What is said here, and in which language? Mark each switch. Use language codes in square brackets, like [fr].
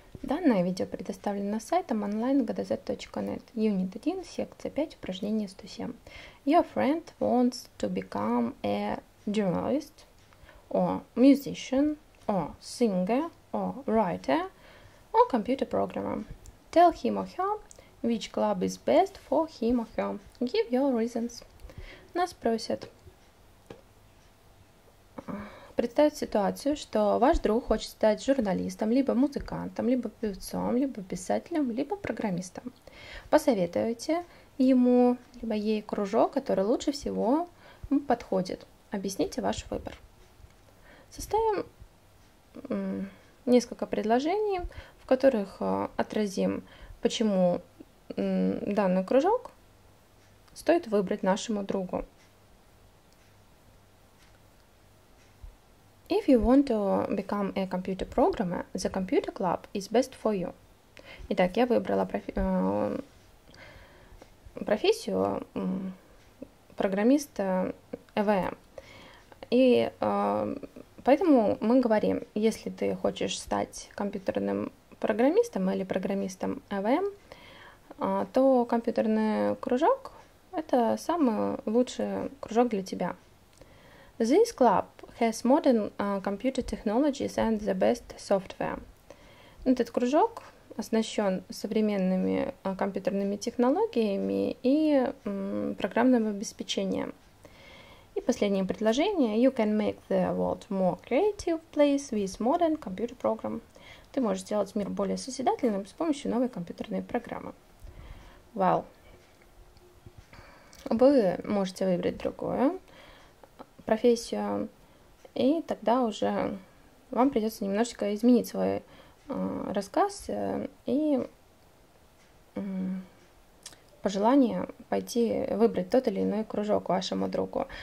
[ru] Данное видео предоставлено сайтом online.gdz.net, Unit 1, секция 5, упражнение 107. [en] Your friend wants to become a journalist, or musician, or singer, or writer, or computer programmer. Tell him or her which club is best for him or her. Give your reasons. [ru] Нас просят представить ситуацию, что ваш друг хочет стать журналистом, либо музыкантом, либо певцом, либо писателем, либо программистом. Посоветуйте ему, либо ей кружок, который лучше всего подходит. Объясните ваш выбор. Составим несколько предложений, в которых отразим, почему данный кружок стоит выбрать нашему другу. [en] If you want to become a computer programmer, the computer club is best for you. [ru] Итак, я выбрала профессию программиста ЭВМ. И поэтому мы говорим, если ты хочешь стать компьютерным программистом или программистом ЭВМ, то компьютерный кружок — это самый лучший кружок для тебя. [en] This club has modern computer technologies and the best software. [ru] Этот кружок оснащен современными компьютерными технологиями и программным обеспечением. И последнее предложение. [en] You can make the world more creative place with modern computer program. [ru] Ты можешь сделать мир более созидательным с помощью новой компьютерной программы. Well, вы можете выбрать другое. Профессию, и тогда уже вам придется немножечко изменить свой рассказ и пожелание пойти выбрать тот или иной кружок вашему другу.